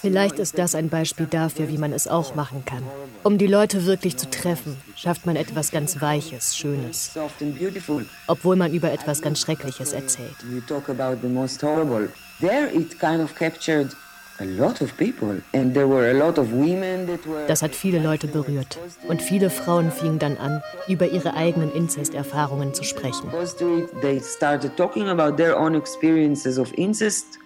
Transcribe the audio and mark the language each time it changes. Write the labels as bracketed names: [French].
[German] Vielleicht ist das ein Beispiel dafür, wie man es auch machen kann. Um die Leute wirklich zu treffen, schafft man etwas ganz Weiches, Schönes. Obwohl man über etwas ganz Schreckliches erzählt. [English] You talk about the most horrible. There it kind of captured a lot of people and there were a lot of women that were. [German] Das hat viele Leute berührt und viele Frauen fingen dann an, über ihre eigenen Inzesterfahrungen zu sprechen. [English] They started talking about their own experiences of incest.